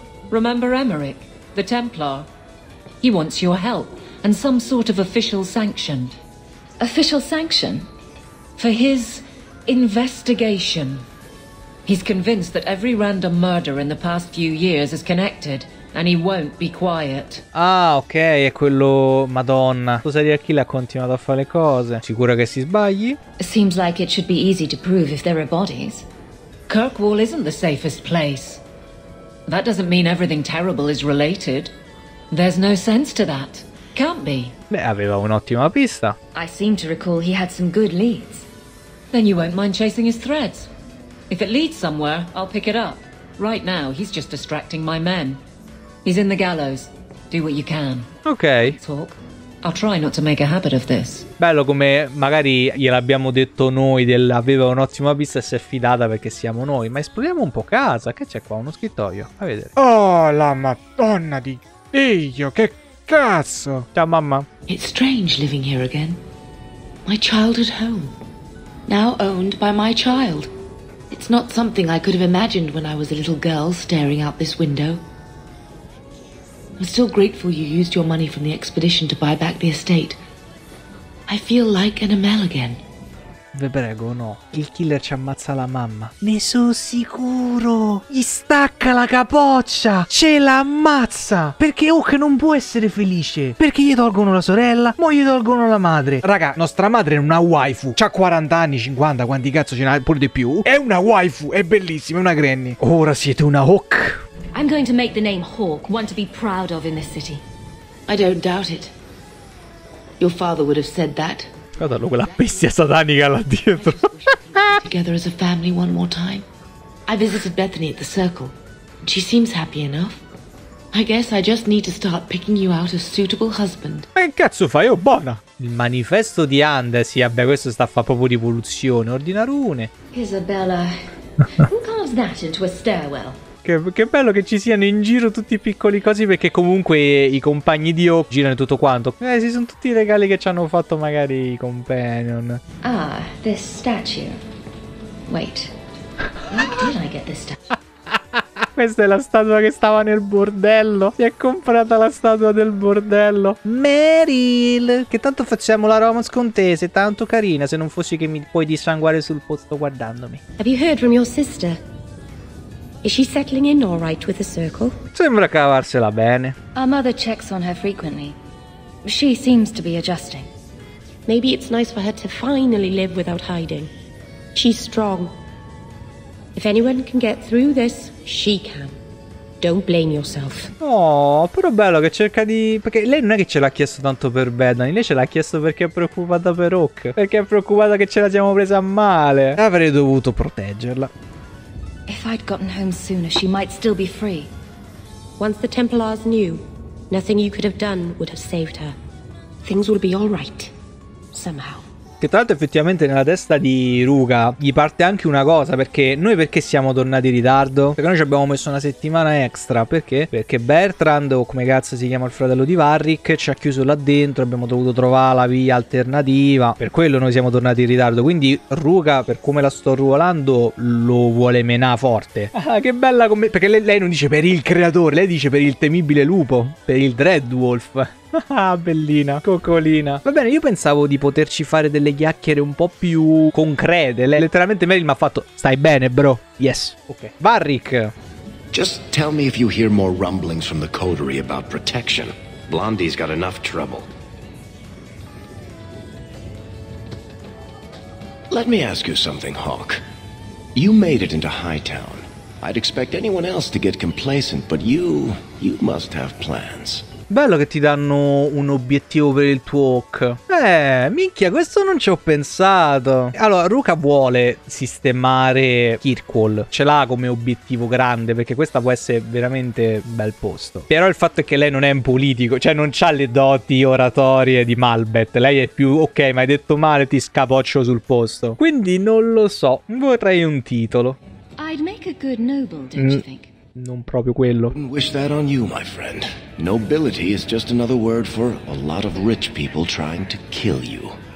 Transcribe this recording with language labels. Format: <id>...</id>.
<en>Remember Emmerich, the Templar? He wants your help and some sort of official sanction. Official sanction? For his investigation. He's convinced that every random murder in the past few years is connected and he won't be quiet.</en> <it>Ah, ok, è quello... Madonna. Cosa dire a chi l'ha continuato a fare le cose? Sicura che si sbagli?</it> <en>Seems like it should be easy to prove if there are bodies. Kirkwall isn't the safest place. That doesn't mean everything terrible is related. There's no sense to that. Can't be.</en> <it>Beh, aveva un'ottima pista.</it> <en>I seem to recall he had some good leads. Then you won't mind chasing his threads. If it leads somewhere, I'll pick it up. Right now, he's just distracting my men. He's in the gallows. Do what you can. Ok. Talk. I'll try not to make a habit of this.</en> <it>Bello come magari gliel'abbiamo detto noi del aveva un'ottima pista e si è fidata perché siamo noi. Ma esploriamo un po' casa. Che c'è qua? Uno scrittoio. A vedere. Oh, la madonna di... Figlio, che cazzo! Ciao mamma.</it> <en>It's strange living here again. My childhood home. Now owned by my child. It's not something I could have imagined when I was a little girl staring out this window. I'm still grateful you used your money from the expedition to buy back the estate. I feel like an Amel again.</en> <it>Ve prego, no. Il killer ci ammazza la mamma. Ne sono sicuro. Gli stacca la capoccia. Ce l'ammazza. Perché Hook non può essere felice. Perché gli tolgono la sorella. Mo gli tolgono la madre. Raga, nostra madre è una waifu. C'ha 40 anni, 50, quanti cazzo ce n'ha, pure di più. È una waifu. È bellissima, è una granny. Ora siete una Hook.</it> <en>I'm going to make the name Hawk one to be proud of in this city. I don't doubt it. Your father would have said that.</en> <it>Guardalo, quella bestia satanica là dietro.</it> <en>Together as a family one more time. I visited Bethany at the circle. She seems happy enough. I guess I just need to start picking you out a suitable husband.</en> <it>Ma che cazzo fai, oh, buona? Il manifesto di Andes, sì, vabbè, questo sta a fa proprio rivoluzione. Ordina rune.</it> <en>Isabella. Who carves that into a stairwell?</en> <it>Che bello che ci siano in giro tutti i piccoli cosi, perché comunque i compagni di Hawk girano tutto quanto. Si sono tutti i regali che ci hanno fatto magari i companion.</it> <en>Ah, this statue. Wait. Where did I get this statue?</en> <it>Questa è la statua che stava nel bordello. Si è comprata la statua del bordello. Meryl, che tanto facciamo la romance con te, sei tanto carina, se non fossi che mi puoi dissanguare sul posto guardandomi.</it> <en>Have you heard from your sister? Is she settling in all right with the circle?</en> <it>Sembra cavarsela bene.</it> <en>Our mother checks on her frequently. She seems to be adjusting. Maybe it's nice for her to finally live without hiding. She's strong. If anyone can get through this, she can. Don't blame yourself.</en> <it>Oh, però bello che cerca di... Perché lei non è che ce l'ha chiesto tanto per Bethany, lei ce l'ha chiesto perché è preoccupata per Hook. Perché è preoccupata che ce la siamo presa male. Avrei dovuto proteggerla.</it> <en>If I'd gotten home sooner, she might still be free. Once the Templars knew, nothing you could have done would have saved her. Things will be all right, somehow.</en> <it>Che tra l'altro effettivamente nella testa di Ruga gli parte anche una cosa, perché noi perché siamo tornati in ritardo? Perché noi ci abbiamo messo una settimana extra, perché? Perché Bertrand, o come cazzo si chiama il fratello di Varric, ci ha chiuso là dentro, abbiamo dovuto trovare la via alternativa, per quello noi siamo tornati in ritardo, quindi Ruga, per come la sto ruolando, lo vuole menà forte. Ah, che bella come... perché lei non dice per il creatore, lei dice per il temibile lupo, per il Dreadwolf. Ah, bellina, coccolina. Va bene, io pensavo di poterci fare delle chiacchiere un po' più concrete. Letteralmente Meryl mi ha fatto: stai bene, bro?</it> <en>Yes. Ok. Varric. Just tell me if you hear more rumblings from the coterie about protection. Blondie's got enough trouble. Let me ask you something, Hawk. You made it into Hightown. I'd expect anyone else to get complacent, but you must have plans.</en> <it>Bello che ti danno un obiettivo per il tuo hook. Minchia, questo non ci ho pensato. Allora, Ruka vuole sistemare Kirkwall. Ce l'ha come obiettivo grande, perché questa può essere veramente bel posto. Però il fatto è che lei non è un politico, cioè non c'ha le doti oratorie di Malbeth. Lei è più, ok, mi hai detto male, ti scapoccio sul posto. Quindi non lo so, vorrei un titolo.</it> <en>I'd make a good noble, don't you think?</en> <it>Non proprio quello.</it> <en>Wish that on you, my friend. Nobility is just another word for a lot of rich people trying to kill you.</en>